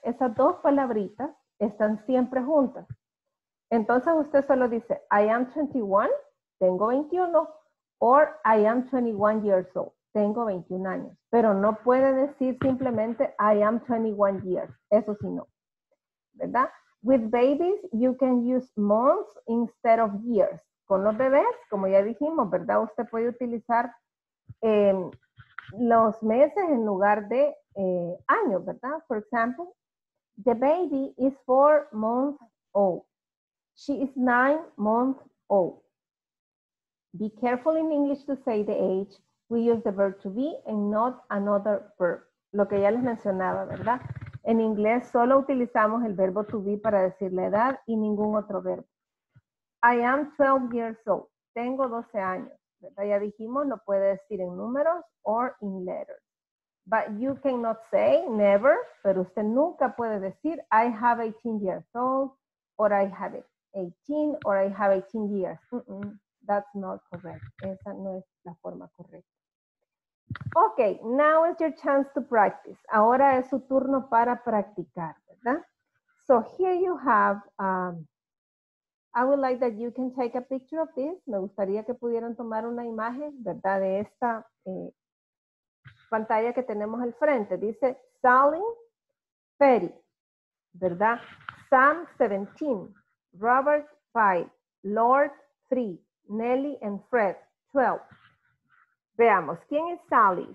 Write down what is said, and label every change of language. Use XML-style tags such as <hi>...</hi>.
<es>Esas dos palabritas están siempre juntas. Entonces usted solo dice,</es> <en>I am 21,</en> <es>tengo 21,</es> <en>or I am 21 years old.</en> <es>Tengo 21 años, pero no puede decir simplemente</es> <en>I am 21 years.</en> <es>Eso sí no, ¿verdad?</es> <en>With babies, you can use months instead of years.</en> <es>Con los bebés, como ya dijimos, ¿verdad? Usted puede utilizar los meses en lugar de años, ¿verdad?</es> <en>For example, the baby is 4 months old. She is 9 months old. Be careful in English to say the age. We use the verb to be and not another verb.</en> <es>Lo que ya les mencionaba, ¿verdad? En inglés solo utilizamos el verbo to be para decir la edad y ningún otro verbo.</es> <en>I am 12 years old.</en> <es>Tengo 12 años. ¿Verdad? Ya dijimos, lo puede decir en números</es> <en>or in letters. But you cannot say never,</en> <es>pero usted nunca puede decir</es> <en>I have 18 years old or I have 18 or I have 18 years. Mm-mm. That's not correct.</en> <es>Esa no es la forma correcta.</es> <en>Ok, now is your chance to practice.</en> <es>Ahora es su turno para practicar, ¿verdad?</es> <en>So here you have, I would like that you can take a picture of this.</en> <es>Me gustaría que pudieran tomar una imagen, ¿verdad? De esta pantalla que tenemos al frente. Dice Sally, Perry, ¿verdad? Sam, 17. Robert, 5. Lord, 3. Nelly and Fred, 12. Veamos, ¿quién es Sally?</es>